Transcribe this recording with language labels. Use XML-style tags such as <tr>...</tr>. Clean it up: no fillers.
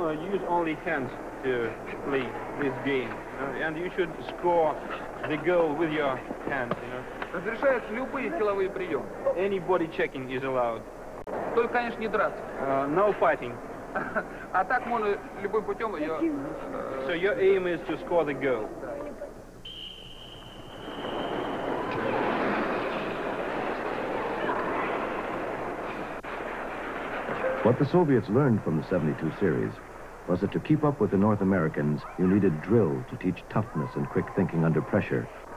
<en>Use only hands to play this game, and you should score the goal with your hands.</en> <ru>Разрешаются любые силовые приемы.</ru> <en>Any body checking is allowed.</en> <ru>Только, конечно, не драться.</ru> <en>No fighting.</en> <ru>А так можно любым путем ее.</ru> <en>So your aim is to score the goal. What the Soviets learned from the 72 series was that to keep up with the North Americans, you needed drill to teach toughness and quick thinking under pressure.</en>